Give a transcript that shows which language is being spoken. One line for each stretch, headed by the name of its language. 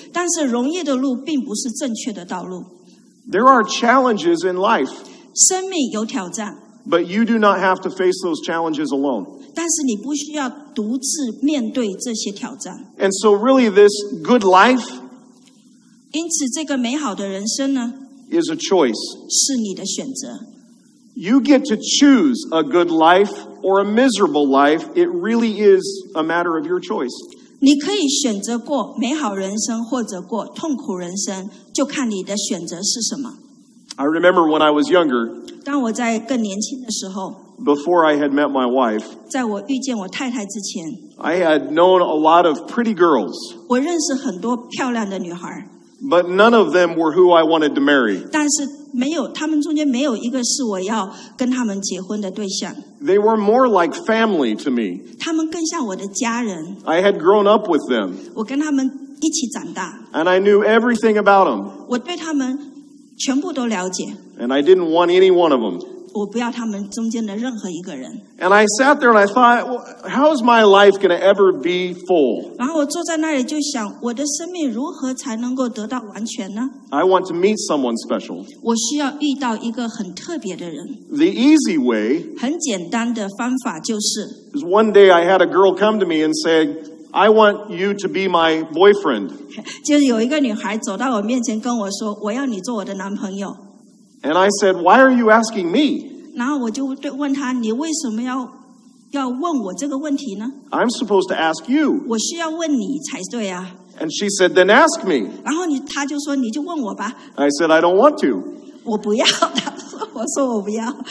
Chinese: 但是容易的路并不是正确的道路。
English: There are challenges in life.
Chinese: 生命有挑战。
English: But you do not have to face those challenges alone.
Chinese: 但是你不需要独自面对这些挑战。
English: And so really this good life
Chinese: 因此这个美好的人生呢
English: is a choice.
Chinese: 是你的选择。
English: You get to choose a good life or a miserable life. It really is a matter of your choice.
Chinese: 你可以选择过美好人生或者过痛苦人生，就看你的选择是什么。
English: I remember when I was younger.
Chinese: 当我在更年轻的时候。
English: Before I had met my wife.
Chinese: 在我遇见我太太之前。
English: I had known a lot of pretty girls.
Chinese: 我认识很多漂亮的女孩。
English: But none of them were who I wanted to marry.
Chinese: 但是没有，他们中间没有一个是我要跟他们结婚的对象。
English: They were more like family to me.
Chinese: 他们更像我的家人。
English: I had grown up with them.
Chinese: 我跟他们一起长大。
English: And I knew everything about them.
Chinese: 我对他们全部都了解。
English: And I didn't want any one of them.
Chinese: 我不要他们中间的任何一个人。
English: And I sat there and I thought, well, how is my life going to ever be full?
Chinese: 然后我坐在那里就想，我的生命如何才能够得到完全呢？
English: I want to meet someone special.
Chinese: 我需要遇到一个很特别的人。
English: The easy way
Chinese: 很简单的方法就是
English: is one day I had a girl come to me and say, I want you to be my boyfriend.
Chinese: 就是有一个女孩走到我面前跟我说，我要你做我的男朋友。
English: And I said, why are you asking me?
Chinese: 然后我就对问他，你为什么要问我这个问题呢？
English: I'm supposed to ask you.
Chinese: 我需要问你才对啊。
English: And she said, then ask me.
Chinese: 然后他就说，你就问我吧。
English: I said, I don't want to.
Chinese: 我不要，他说，我说我不要。